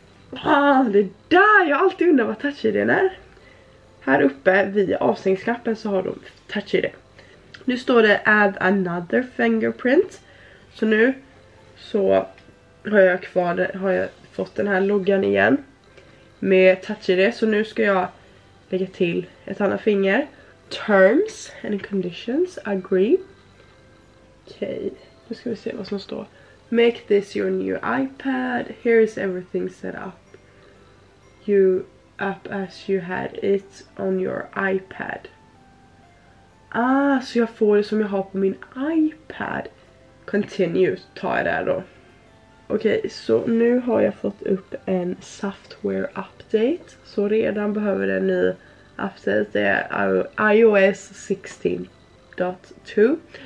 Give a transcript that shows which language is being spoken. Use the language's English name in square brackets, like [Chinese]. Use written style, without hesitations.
[Swedish] Ah, det där! Jag har alltid undrat vad touch-ID är. Här uppe vid avstängningsknappen så har de touch-ID. Nu står det [English] add another fingerprint. [Swedish] Så nu så har jag kvar, har jag fått den här loggan igen med touch-ID. Så nu ska jag lägga till ett annat finger. [English] Terms and conditions agree. [Swedish] Okej, nu ska vi se vad som står. [English] Make this your new iPad. Here is everything set up. You up as you had it on your iPad. [Swedish] Ah, så jag får det som jag har på min iPad. Continue, tar jag där då. Okej, så nu har jag fått upp en software update. Så redan behöver det en ny update. Det är iOS 16.2.